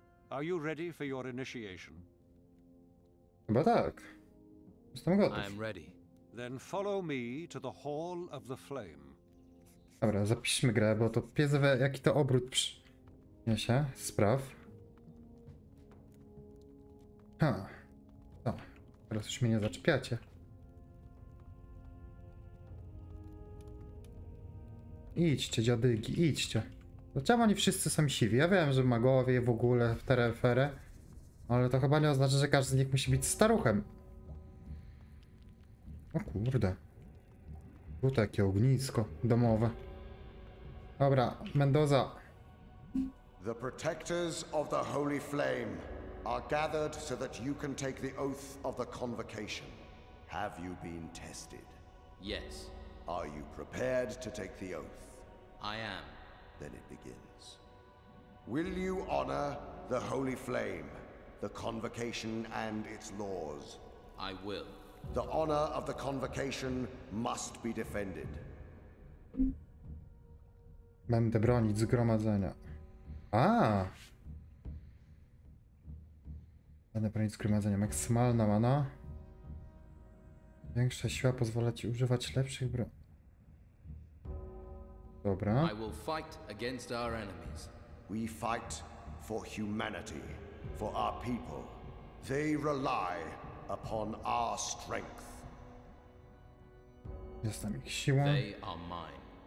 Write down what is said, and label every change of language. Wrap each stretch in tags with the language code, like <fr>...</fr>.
<en>Are you ready for your initiation?</en> <pl>Chyba tak. Jestem gotów.</pl> <en>I am ready. Then follow me to the Hall of the Flame.</en> <pl>Dobra, zapiszmy grę, bo to piezwe, jaki to obrót przyniesie. Spraw. Ha. No, teraz już mnie nie zaczepiacie. Idźcie, dziadygi, idźcie. Dlaczego oni wszyscy są siwi? Ja wiem, że magowie w ogóle w tereferę, ale to chyba nie oznacza, że każdy z nich musi być staruchem. O kurde. Tu takie ognisko domowe. Dobra, Mendoza.</pl> <en>The protectors of the Holy Flame are gathered so that you can take the oath of the convocation. Have you been tested? Yes. Are you prepared to take the oath? I am. Then it begins. Will you honor the Holy Flame, the Convocation and its laws? I will. The honor of the Convocation must be defended.</en> <pl>Będę bronić zgromadzenia. Będę bronić zgromadzenia. Maksymalna mana. Większa siła pozwala ci używać lepszych broni. Dobra.</pl> <en>I will fight against our enemies. We fight for humanity, for our people. They rely upon our strength.</en> <pl>Jestem ich siłą.</pl> <en>They are mine.</en>